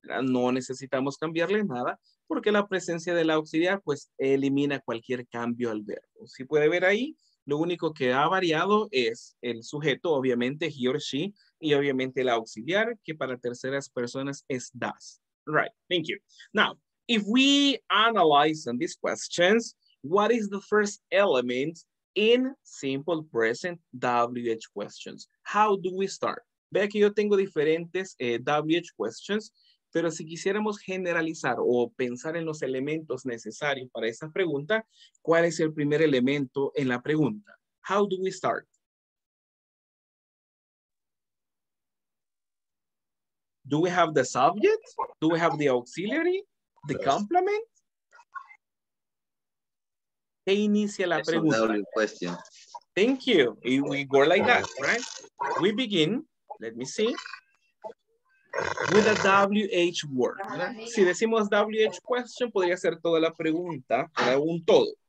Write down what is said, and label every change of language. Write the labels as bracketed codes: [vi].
[es] No necesitamos cambiarle nada, porque la presencia del auxiliar pues elimina cualquier cambio al verbo. Si puede ver ahí, lo único que ha variado es el sujeto, obviamente, [en] he or she, [es] y obviamente el auxiliar, que para terceras personas es does. [en] Right, thank you. Now, if we analyze on these questions, what is the first element in simple present WH questions. How do we start? [es] Vea que yo tengo diferentes WH questions, pero si quisiéramos generalizar o pensar en los elementos necesarios para esa pregunta, ¿cuál es el primer elemento en la pregunta? [en] How do we start? Do we have the subject? Do we have the auxiliary? The yes. complement? [es] ¿Qué inicia la pregunta? Es una question. [en] Thank you. We go like that, right? We begin, let me see, with a WH word. [es] Si decimos WH question, podría ser toda la pregunta, un todo.